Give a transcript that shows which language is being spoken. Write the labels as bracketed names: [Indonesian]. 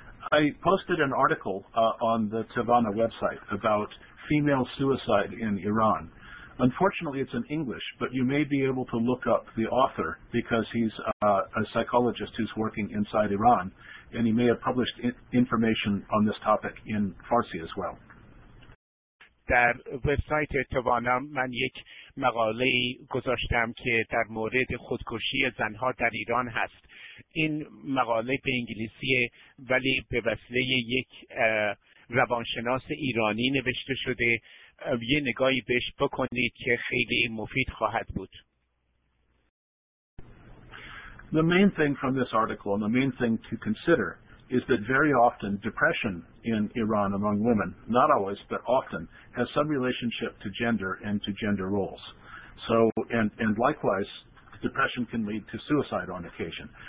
[English] I posted an article on the Tavana website about female suicide in Iran. Unfortunately, it's in English, but you may be able to look up the author because he's a psychologist who's working inside Iran, and he may have published information on this topic in Farsi as well. [Persian] در وبسایت توانا من یک مقاله گذاشتم که در مورد خودکشی زنها در ایران هست. این مقاله به انگلیسیه ولی به وسیله یک روانشناس ایرانی نوشته شده. یه نگاهی بهش بکنید که خیلی مفید خواهد بود. [English] The main thing from this article and the main thing to consider is that very often depression in Iran among women, not always, but often, has some relationship to gender and to gender roles. So, and likewise, depression can lead to suicide on occasion.